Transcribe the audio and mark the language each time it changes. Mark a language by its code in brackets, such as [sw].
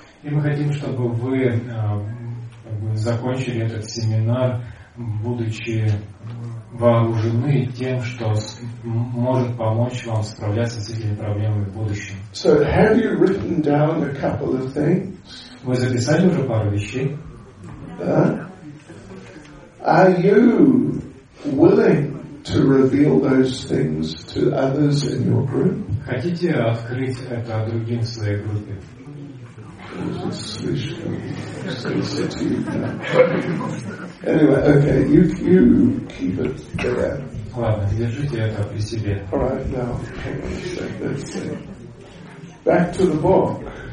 [ru] И мы хотим, чтобы вы закончили этот семинар, будучи вооружены тем, что может помочь вам справляться с этими проблемами в будущем. [en] So have you written down a couple of things? [ru] Вы записали уже пару вещей? [en] Are you willing to reveal those things to others in your group? [ru] Хотите открыть это другим в своей группе? Слишком сенситивно. [en] Anyway, okay, you keep it there. [ru] Ладно, держите это при себе. [en] All right, now, let's see. Back to the book.